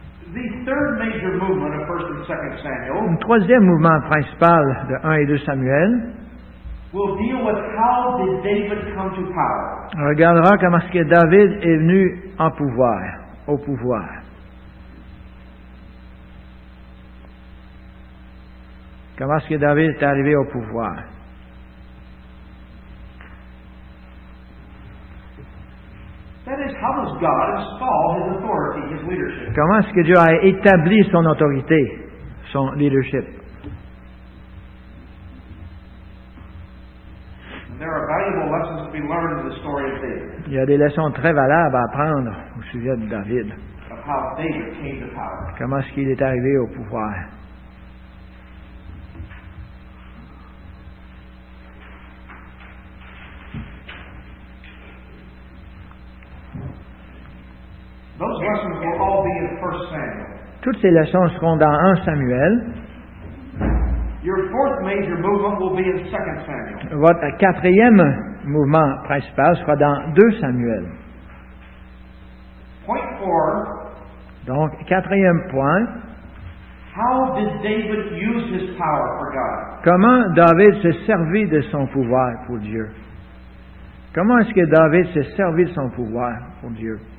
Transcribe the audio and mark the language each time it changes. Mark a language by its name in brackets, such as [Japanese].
[English] The third major movement of 1st and 2nd Samuel. [French] Le troisième mouvement principal de 1 et 2 Samuel. [English] Will deal with how did David come to power. [French] On regardera comment est-ce que David est venu en pouvoir, au pouvoir. Comment est-ce que David est arrivé au pouvoir? [English] That is, how does God install his authority, his leadership? [French] Comment est-ce que Dieu a établi son autorité, son leadership? [English] There are valuable lessons to be learned in the story of David. [French] Il y a des leçons très valables à apprendre au sujet de David. [English] Of how David came to power. [French] Comment est-ce qu'il est arrivé au pouvoir? [English] Those lessons will all be in 1 Samuel. [French] Toutes ces leçons seront dans 1 Samuel. [English] Your fourth major movement will be in 2 Samuel. [French] Votre quatrième mouvement principal sera dans 2 Samuel. [English] Point 4. [French] Donc, quatrième point. [English] How did David use his power for God? [French] Comment David s'est servi de son pouvoir pour Dieu? Comment est-ce que David s'est servi de son pouvoir pour Dieu?